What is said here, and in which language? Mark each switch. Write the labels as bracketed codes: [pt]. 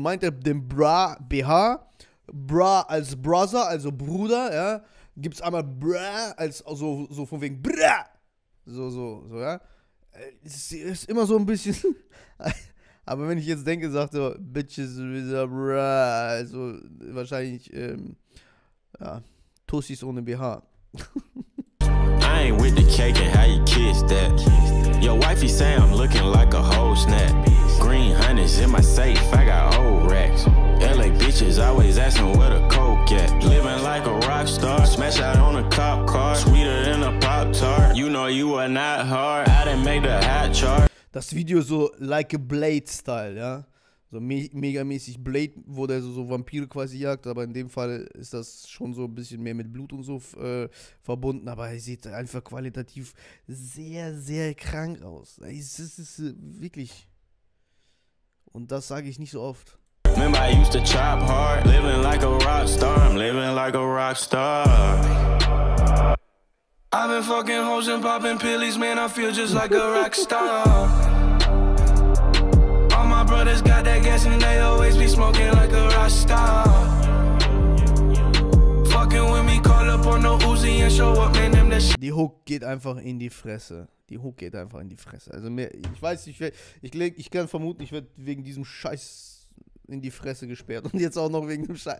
[de] Meint er den bra, BH, bra als Brother, also Bruder, ja, gibt's einmal bra, als also, so von wegen bra. So, ja. Es ist immer so ein bisschen. Aber wenn ich jetzt denke, sagt er, [en] Bitches with a bra. [de] Also wahrscheinlich, ja, Tussis ohne BH. [en] I ain't with the cake and how you kiss that. Your wifey say I'm looking like a whole snap. Green honey's in my safe, I got old racks. LA bitches always asking where the coke at. Living like a rock star, smash out on a cop car. Sweeter than a pop tart. You know you are not hard. I didn't make the hot chart. [de] Das Video [en] so like a Blade Style, [de] ja? So megamäßig Blade, wo der so Vampire quasi jagt. Aber in dem Fall ist das schon so ein bisschen mehr mit Blut und so verbunden. Aber er sieht einfach qualitativ sehr, sehr krank aus. Es ist wirklich. Und das sage ich nicht so oft. [en] Remember I used to chop hard, living like a rock star, I'm living like a rock star. I've been fucking hoes and popping pillies, man, I feel just like a rock star. All my brothers got that gas and they always be smoking like a rock star. Fucking with me, call up on no Uzi and show up, man, them that shit. [de] Die Hook geht einfach in die Fresse. Die Hook geht einfach in die Fresse. Also mehr, ich weiß, ich kann vermuten, ich werde wegen diesem Scheiß in die Fresse gesperrt. Und jetzt auch noch wegen dem Scheiß.